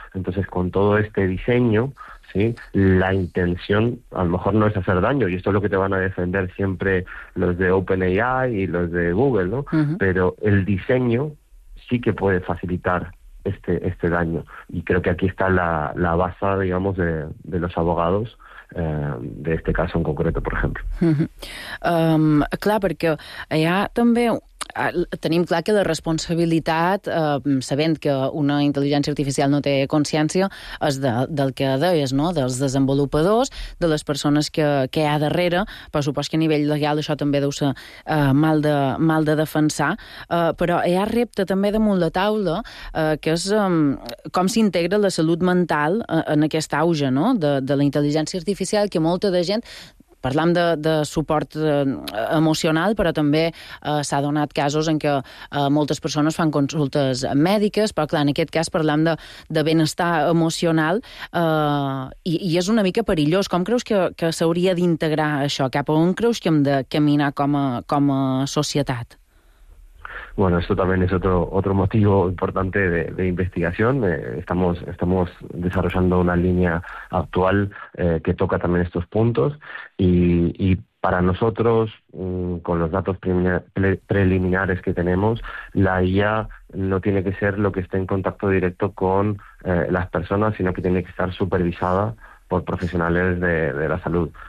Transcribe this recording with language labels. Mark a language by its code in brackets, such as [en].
[es] Entonces, con todo este diseño, ¿sí? La intención a lo mejor no es hacer daño, y esto es lo que te van a defender siempre los de OpenAI y los de Google, ¿no? Uh-huh. Pero el diseño sí que puede facilitar este daño, y creo que aquí está la base, digamos, de los abogados de este caso en concreto, por ejemplo. [ca] Clar, perquè allà també tenim clar que la responsabilitat, sabent que una intel·ligència artificial no té consciència, és del que deies, no? Dels desenvolupadors, de les persones que hi ha darrere, però suposo que a nivell legal això també deu ser mal de defensar, però hi ha repte també damunt la taula, que és com s'integra la salut mental en aquest auge, no? De la intel·ligència artificial, que molta de gent... Parlem de suport emocional, però també s'ha donat casos en què moltes persones fan consultes mèdiques, però clar, en aquest cas parlem de benestar emocional i és una mica perillós. Com creus que s'hauria d'integrar això? Cap a on creus que hem de caminar com a societat? [es] Bueno, esto también es otro motivo importante de investigación. Estamos desarrollando una línea actual que toca también estos puntos, y para nosotros, con los datos preliminares que tenemos, la IA no tiene que ser lo que esté en contacto directo con las personas, sino que tiene que estar supervisada por profesionales de la salud.